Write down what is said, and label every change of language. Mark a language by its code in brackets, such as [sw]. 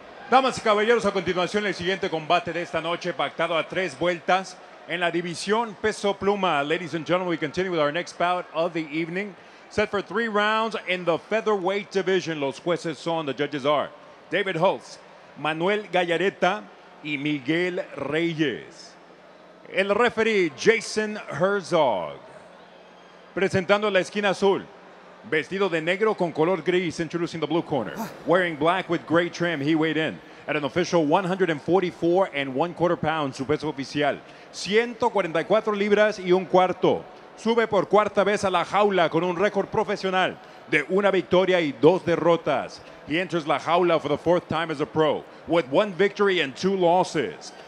[es] Damas y caballeros, a continuación el siguiente combate de esta noche, pactado a tres vueltas en la división peso pluma. [en] Ladies and gentlemen, we continue with our next bout of the evening. Set for three rounds in the featherweight division. [es] Los jueces son, [en] the judges are, [es] David Holtz, Manuel Gallareta, y Miguel Reyes. El referee, Jason Herzog. Presentando la esquina azul. Vestido de negro con color gris, [en] introducing the blue corner. Wearing black with gray trim, he weighed in at an official 144¼ pounds, [es] su peso oficial. 144 libras y un cuarto. Sube por cuarta vez a la jaula con un récord profesional de una victoria y dos derrotas. [en] He enters [es] la jaula [en] for the fourth time as a pro with one victory and two losses.